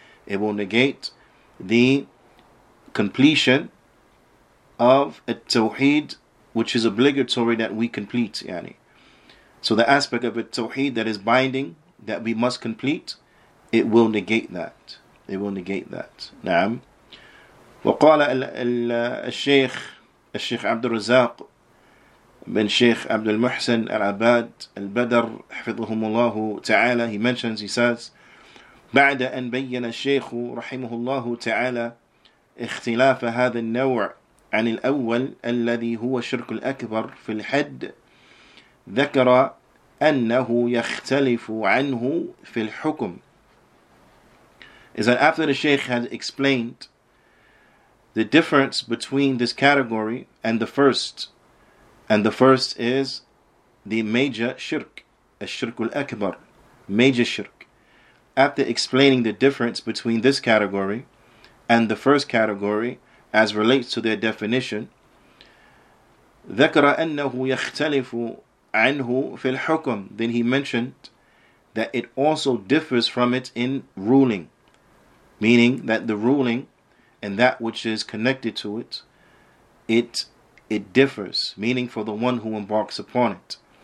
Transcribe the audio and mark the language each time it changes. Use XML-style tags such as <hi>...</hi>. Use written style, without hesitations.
<en>It will negate the completion of a tawheed which is obligatory that we complete.</en> <ar>يعني.</ar> <en>So the aspect of a tawheed that is binding, that we must complete, it will negate that. It will negate that. نعم.</en> <ar>وقال الشيخ الشيخ عبد الرزاق بن شيخ عبد المحسن العباد البدر حفظهم الله تعالى,</ar> <en>he mentions, he says,</en> <ar>بعد أن بين الشيخ رحمه الله تعالى اختلاف هذا النوع عن الأول الذي هو الشرك الأكبر في الحد, ذكر أنه يختلف عنه في الحكم.</ar> <en>Is that after the Shaykh had explained the difference between this category and the first is the major shirk, الشرك الأكبر, major shirk. After explaining the difference between this category and the first category as relates to their definition,</en> <ar>ذكر أنه يختلف عنه في الحكم,</ar> <en>then he mentioned that it also differs from it in ruling, meaning that the ruling and that which is connected to it, it differs, meaning for the one who embarks upon it.</en>